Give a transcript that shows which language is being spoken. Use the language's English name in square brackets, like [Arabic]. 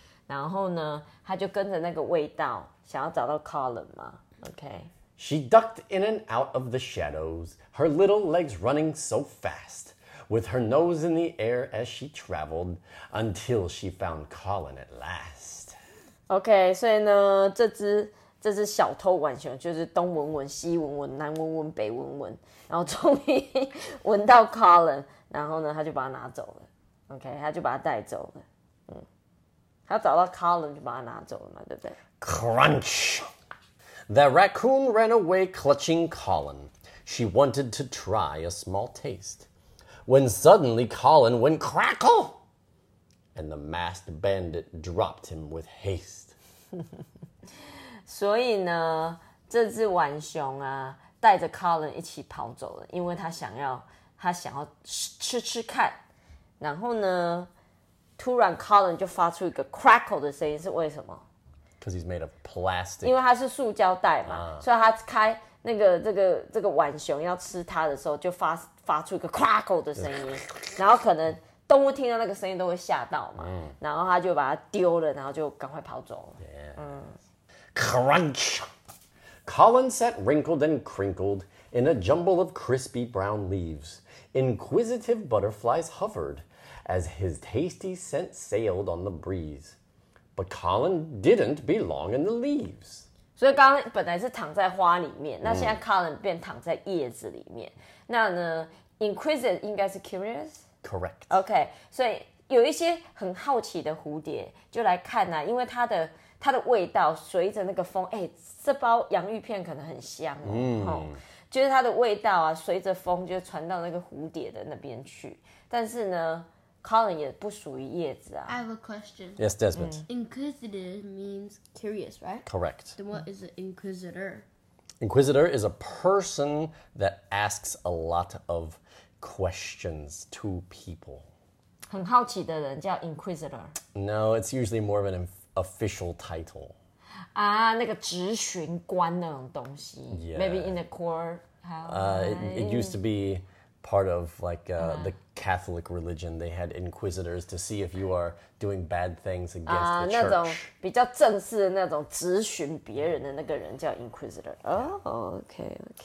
[Chinese] 然后呢，他就跟着那个味道，想要找到 Colin 嘛。Okay。 [English] She ducked in and out of the shadows, her little legs running so fast, with her nose in the air as she traveled, until she found Colin at last. [Chinese] Okay, 所以呢，这只小偷浣熊就是东闻闻、西闻闻、南闻闻、北闻闻，然后终于闻到 Colin， 然后呢，他就把他拿走了。 Okay， 他就把他带走了。他找到 Colin 就把他拿走了嘛，对不对 [English] ？Crunch! The raccoon ran away, clutching Colin. She wanted to try a small taste. When suddenly Colin went crackle, and the masked bandit dropped him with haste. [Chinese] 所以呢，这只浣熊啊，带着 Colin 一起跑走了，因为他想要吃吃看，然后呢？突然 ，Colin 就发出一个 crackle 的声音，是为什么 [English] ？Because he's made of plastic. [Chinese] 因为它是塑胶袋嘛， 所以它开那个这个浣熊要吃它的时候，就发出一个 crackle 的声音。然后可能动物听到那个声音都会吓到嘛。然后它就把它丢了，然后就赶快跑走了。 [English] Yeah. Crunch. Colin sat wrinkled and crinkled in a jumble of crispy brown leaves. Inquisitive butterflies hovered. As his tasty scent sailed on the breeze, but Colin didn't belong in the leaves. [Chinese] 所以刚刚本来是躺在花里面，那现在 Colin 变躺在叶子里面。那呢 ，inquisitive 应该是 curious. [English] Correct. [Chinese] Okay, 所以有一些很好奇的蝴蝶就来看呐、啊，因为它的味道随着那个风，哎，这包洋芋片可能很香哦。就是它的味道啊，随着风就传到那个蝴蝶的那边去。但是呢。Colin 也不属于叶子啊。 [English] I have a question. Yes, Desmond. Inquisitive means curious, right? Correct. Then what is an inquisitor? Inquisitor is a person that asks a lot of questions to people. [Chinese] 很好奇的人叫 inquisitor. [English] No, it's usually more of an official title. [Chinese] 啊，那个质询官那种东西。 [English] Yeah. Maybe in the court. It used to be... Part of like、the Catholic religion, they had inquisitors to see if you are doing bad things against the church. [Chinese] 那种比较正式的那种质询别人的那个人叫 inquisitor. [English] Okay.